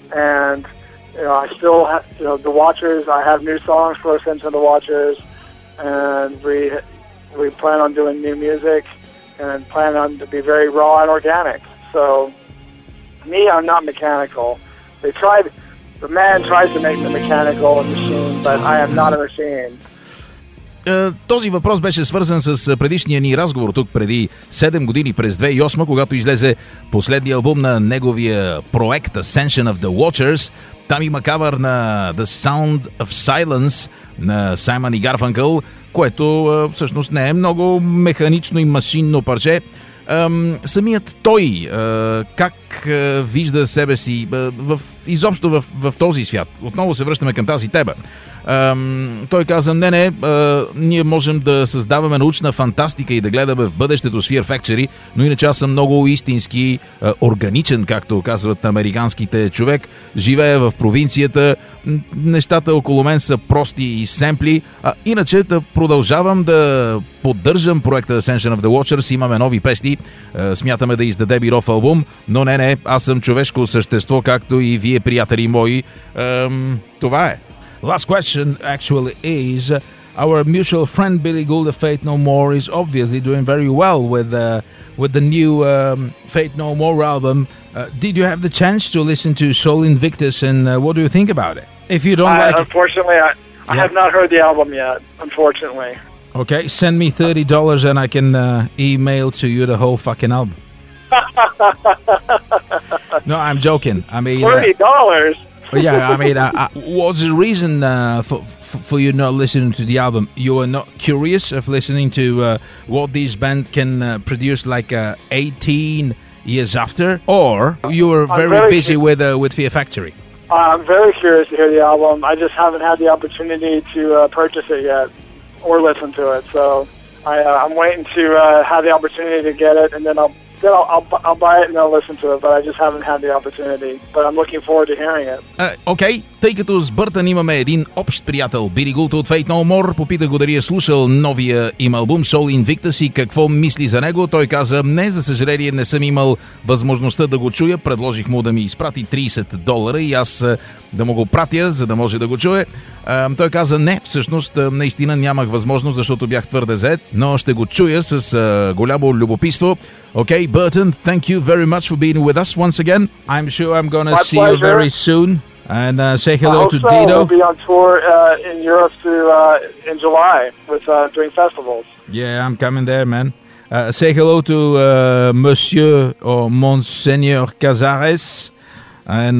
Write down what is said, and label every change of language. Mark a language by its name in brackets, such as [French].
[English] And, I still have, the Watchers, I have new songs for Ascension of the Watchers, and we plan on doing new music and plan on to be very raw and organic. So, me, I'm not mechanical. The man tries to make the mechanical a machine, but I am not a machine. [Bulgarian] Този въпрос беше свързан с предишния ни разговор тук преди 7 години, през 2008, когато излезе последния албум на неговия проект Ascension of the Watchers. Там има кавър на The Sound of Silence на Саймън и Гарфанкъл, което всъщност не е много механично и машинно парче. Самият той как вижда себе си изобщо в този свят? Отново се връщаме към тази теба. Той каза, не, ние можем да създаваме научна фантастика и да гледаме в бъдещето с Fear Factory, но иначе аз съм много истински органичен, както казват американските човек. Живея в провинцията. Нещата около мен са прости и семпли. А иначе да продължавам да поддържам проекта Ascension of the Watchers. Имаме нови песни. Смятаме да издадем и нов албум. Но не, аз съм човешко същество, както и вие, приятели мои. Това е. [English] Last question actually is... Our mutual friend Billy Gould of Faith No More is obviously doing very well with the new Faith No More album. Did you have the chance to listen to Soul Invictus, and what do you think about it? If you don't Unfortunately, I have not heard the album yet, unfortunately. Okay, send me $30 and I can email to you the whole fucking album. No, I'm joking. I mean, $30? Yeah, I mean, what's the reason for you not listening to the album? You are not curious of listening to what this band can produce like 18 years after? Or you were very busy with Fear Factory? I'm very curious to hear the album. I just haven't had the opportunity to purchase it yet or listen to it. So I'm waiting to have the opportunity to get it, and then I'll buy it and I'll listen to it, but I just haven't had the opportunity. But I'm looking forward to hearing it. [Bulgarian] Okay, тъй като с Бъртън имаме един общ приятел, Billy Gould от Faith No More, попита го дали е слушал новия им албум Soul Invictus и какво мисли за него. Той каза, не, за съжаление не съм имал възможността да го чуя. Предложих му да ми изпрати $30 и аз да му го пратя, за да може да го чуе. Той каза, не, всъщност наистина нямах възможност, защото бях твърде зает, но ще го чуя с голямо любопитство. [English] Okay, Burton, thank you very much for being with us once again. I'm sure I'm gonna see you very soon. And say hello to Dino. I'll be on tour in Europe in July with doing festivals. Yeah, I'm coming there, man. Say hello to Monsieur or Monseigneur Cazares. And